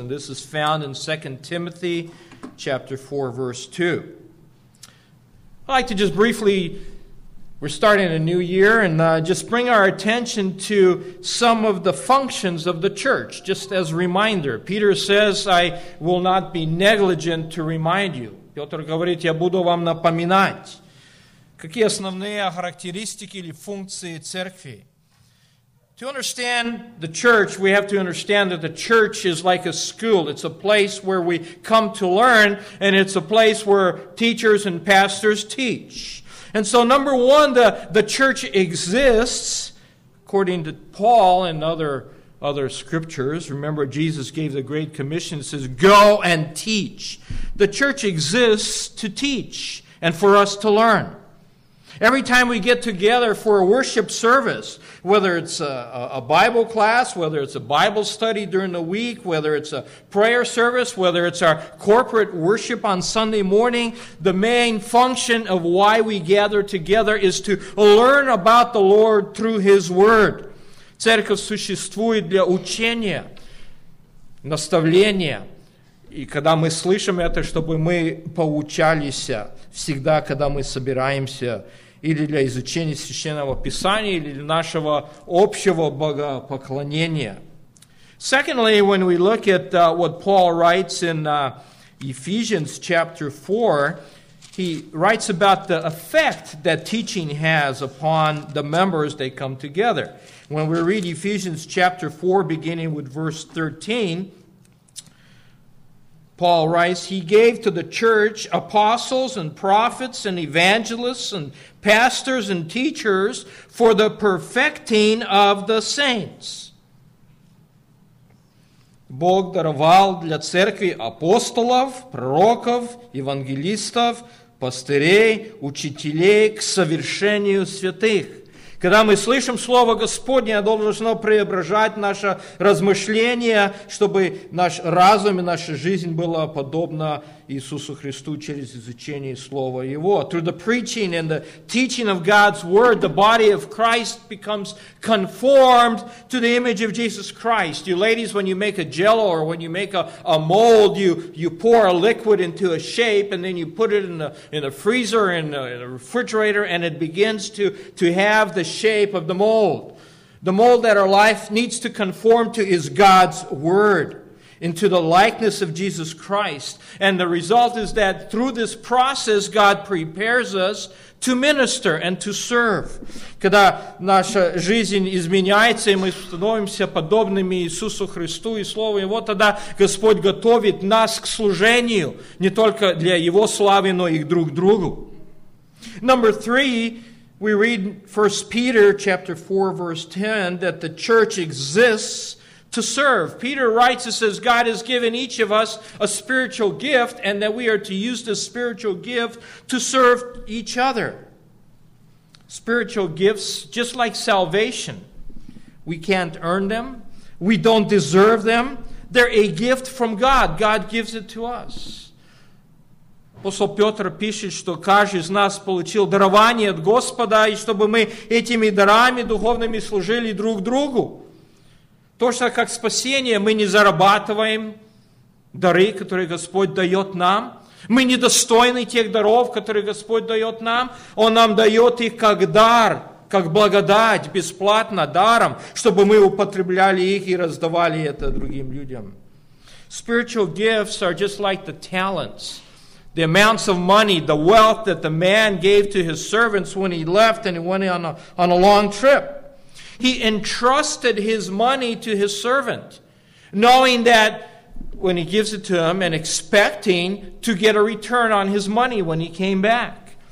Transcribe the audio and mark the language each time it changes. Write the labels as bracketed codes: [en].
[en] And this is found in 2 Timothy chapter 4, verse 2. I'd like to just briefly, we're starting a new year, and just bring our attention to some of the functions of the church, just as a reminder. Peter says, I will not be negligent to remind you. [ru] Петр говорит, я буду вам напоминать. Какие основные характеристики или функции церкви? [en] To understand the church, we have to understand that the church is like a school. It's a place where we come to learn, and it's a place where teachers and pastors teach. And so, number one, the church exists, according to Paul and other scriptures. Remember, Jesus gave the Great Commission. It says, go and teach. The church exists to teach and for us to learn. Every time we get together for a worship service, whether it's a Bible class, whether it's a Bible study during the week, whether it's a prayer service, whether it's our corporate worship on Sunday morning, the main function of why we gather together is to learn about the Lord through His Word. [ru] Церковь существует для учения, наставления. И когда мы слышим это, чтобы мы поучались всегда, когда мы собираемся или для изучения Священного Писания, или для нашего общего богопоклонения. [en] Secondly, when we look at what Paul writes in Ephesians chapter 4, he writes about the effect that teaching has upon the members they come together. When we read Ephesians chapter 4, beginning with verse 13, Paul writes, he gave to the church apostles and prophets and evangelists and pastors and teachers for the perfecting of the saints. [ru] Бог даровал для церкви апостолов, пророков, евангелистов, пастырей, учителей к совершению святых. Когда мы слышим Слово Господне, оно должно преображать наше размышление, чтобы наш разум и наша жизнь была подобна Иисусу Христу через изучение Слова Его. [en] Through the preaching and the teaching of God's Word, the body of Christ becomes conformed to the image of Jesus Christ. You ladies, when you make a jello or when you make a mold, you pour a liquid into a shape and then you put it in the freezer, in the refrigerator, and it begins to have the shape of the mold. The mold that our life needs to conform to is God's Word, into the likeness of Jesus Christ. And the result is that through this process, God prepares us to minister and to serve. [ru] Когда наша жизнь изменяется, и мы становимся подобными Иисусу Христу и Слову, и вот тогда Господь готовит нас к служению, не только для Его славы, но и друг другу. [en] Number three, we read 1 Peter chapter 4, verse 10, that the church exists to serve. Peter writes and says, God has given each of us a spiritual gift, and that we are to use this spiritual gift to serve each other. Spiritual gifts, just like salvation, we can't earn them, we don't deserve them, they're a gift from God. God gives it to us. [ru] Апостол Петр пишет, что каждый из нас получил дарование от Господа, и чтобы мы этими дарами духовными служили друг другу. Точно как спасение, мы не зарабатываем дары, которые Господь дает нам. Мы недостойны тех даров, которые Господь дает нам. Он нам дает их как дар, как благодать, бесплатно, даром, чтобы мы употребляли их и раздавали это другим людям. [en] Spiritual gifts are just like the talents. The amounts of money, the wealth that the man gave to his servants when he left and he went on a long trip. He entrusted his money to his servant, knowing that when he gives it to him and expecting to get a return on his money when he came back.